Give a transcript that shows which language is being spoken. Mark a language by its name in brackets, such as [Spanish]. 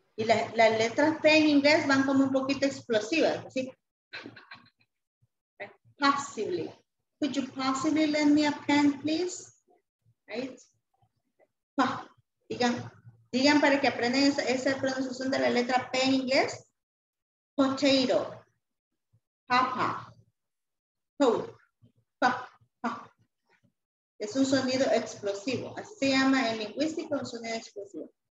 [Spanish] Y la letra P en inglés van como un poquito explosivas, ¿sí? [English] Possibly. Could you possibly lend me a pen, please? Right? [Spanish] Digan para que aprendan esa pronunciación de la letra P en inglés. Potato. Papa. Coke. Pa. Pa. Es un sonido explosivo. Así se llama en lingüística, un sonido explosivo.